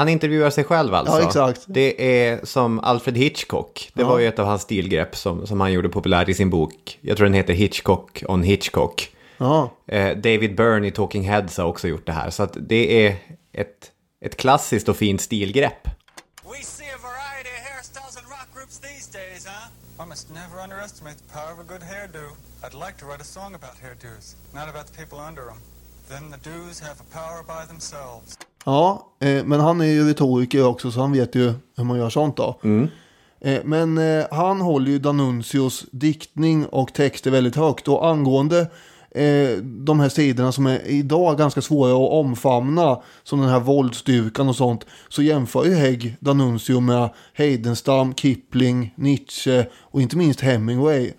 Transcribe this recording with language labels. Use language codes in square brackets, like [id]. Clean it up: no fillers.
[sv] Han intervjuar sig själv alltså. Ja, exakt. Det är som Alfred Hitchcock. Det var ju ett av hans stilgrepp som han gjorde populär i sin bok. Jag tror den heter Hitchcock on Hitchcock. David Byrne i Talking Heads har också gjort det här. Så att det är ett klassiskt och fint stilgrepp. [en] We see a variety of hairstyles and rock groups these days, huh? I must never underestimate the power of a good hairdo. I'd like to write a song about hairdos, not about the people under them. Then the dos have a power by themselves. [sv] Ja, men han är ju retoriker också, så han vet ju hur man gör sånt då. Men han håller ju D'Annunzios diktning och texter väldigt högt, och angående de här sidorna som är idag ganska svåra att omfamna, som den här våldsdyrkan och sånt, så jämför ju Hägg D'Annunzio med Heidenstam, Kipling, Nietzsche och inte minst Hemingway.